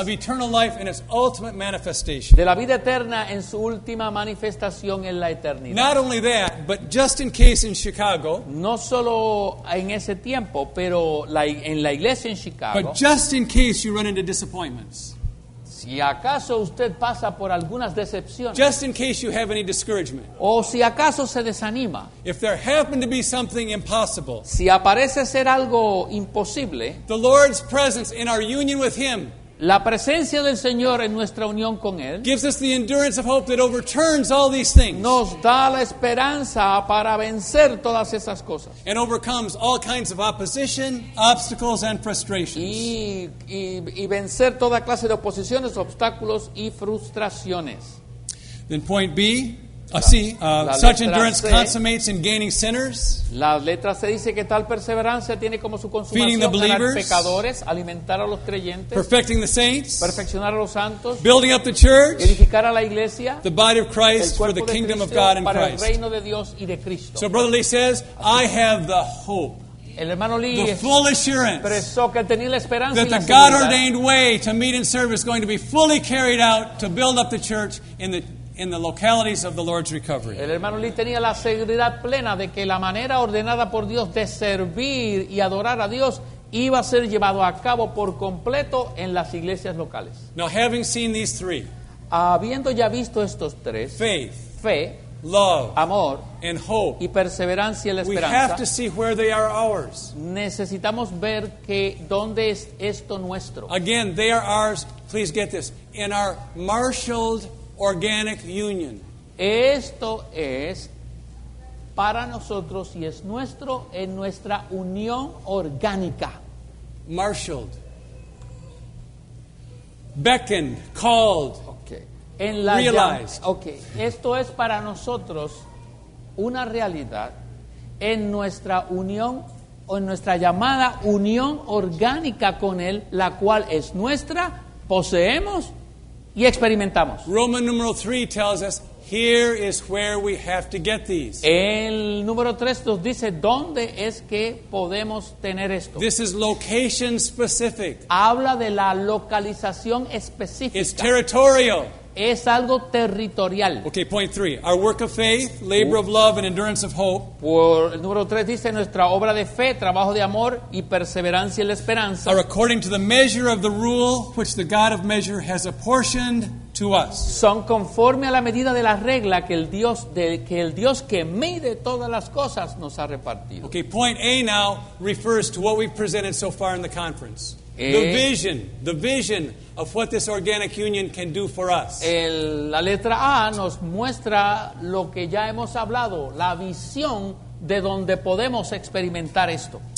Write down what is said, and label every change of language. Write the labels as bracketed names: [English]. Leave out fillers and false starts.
[English] of eternal life in its ultimate manifestation. [Spanish] De la vida eterna en su última manifestación en la eternidad. [English] Not only that, but just in case in Chicago, [Spanish] no solo en ese tiempo, pero en la iglesia en Chicago, [English] but just in case you run into disappointments. [Spanish] Si acaso usted pasa por algunas decepciones, [English] just in case you have any discouragement, [Spanish] o si acaso se desanima, [English] if there happened to be something impossible, [Spanish] si aparece ser algo imposible, [English] the Lord's presence in our union with Him, [Spanish] la presencia del Señor en nuestra unión con Él, [English] gives us the endurance of hope that overturns all these things, [Spanish] nos da la esperanza para vencer todas esas cosas, [English] and overcomes all kinds of opposition, obstacles, and frustrations, [Spanish] y vencer toda clase de oposiciones, obstáculos y frustraciones. [English] Then point B, such endurance consummates in gaining sinners. [Spanish] La letra C dice que tal perseverancia tiene como su consumación [English] feeding the believers, [Spanish] ganar pecadores, alimentar a los creyentes, [English] perfecting the saints, [Spanish] perfeccionar a los santos, [English] building up the church, [Spanish] edificar a la iglesia, [English] the body of Christ for the kingdom [Spanish] Cristo [English] of God and [Spanish] para [English] Christ. [Spanish] El reino de Dios y de Cristo. [English] So Brother Lee says, I have the hope. [Spanish] El hermano Lee [English] the full assurance [Spanish] que tenía la esperanza [English] that the God-ordained way to meet in service is going to be fully carried out to build up the church in the localities of the Lord's recovery. [Spanish] El hermano Lee tenía la seguridad plena de que la manera ordenada por Dios de servir y adorar a Dios iba a ser llevado a cabo por completo en las iglesias locales. [English] Now, having seen these three, [Spanish] habiendo ya visto estos tres, [English] faith, [Spanish] fe, [English] love, [Spanish] amor, [English] and hope, [Spanish] y perseverancia en la esperanza, [English] we have to see where they are ours. [Spanish] Necesitamos ver que dónde es esto nuestro. [English] Again, they are ours. Please get this in our marshaled organic union. [Spanish] Esto es para nosotros y es nuestro en nuestra unión orgánica. [English] Marshaled, beckoned, called. Okay. En la realized. Okay. [Spanish] Esto es para nosotros una realidad en nuestra unión o en nuestra llamada unión orgánica con Él, la cual es nuestra, poseemos y experimentamos. [English] Roman numeral 3 tells us here is where we have to get these. [Spanish] El número 3 nos dice dónde es que podemos tener esto. [English] This is location specific. [Spanish] Habla de la localización específica. [English] It's territorial. [Spanish] Es algo territorial. [English] Okay, point 3. Our work of faith, labor of love and endurance of hope. [Spanish] Por el número 3 dice nuestra obra de fe, trabajo de amor y perseverancia en la esperanza. [English] Are according to the measure of the rule which the God of measure has apportioned to us. [Spanish] Son conforme a la medida de la regla que el Dios que mide todas las cosas nos ha repartido. [English] Okay, point A now refers to what we've presented so far in the conference. The vision of what this organic union can do for us. [Spanish] La letra A nos muestra lo que ya hemos hablado, la visión de donde podemos experimentar esto.